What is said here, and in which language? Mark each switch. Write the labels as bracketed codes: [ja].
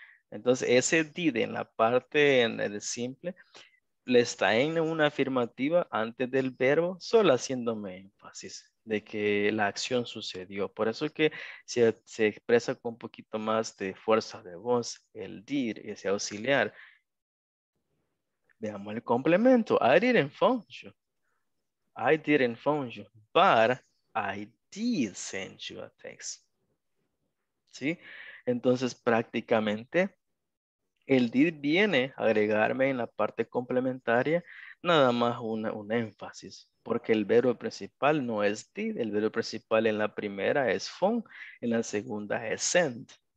[es] Entonces, ese did en la parte, en el simple, le está en una afirmativa antes del verbo, solo haciéndome énfasis de que la acción sucedió. Por eso que se expresa con un poquito más de fuerza de voz, el did, ese auxiliar. Veamos el complemento. [en] I didn't phone you. I didn't phone you, but I did send you a text. [es] ¿Sí? Entonces, prácticamente, el did viene a agregarme en la parte complementaria nada más un énfasis, porque el verbo principal no es did, el verbo principal en la primera es phone, en la segunda es send.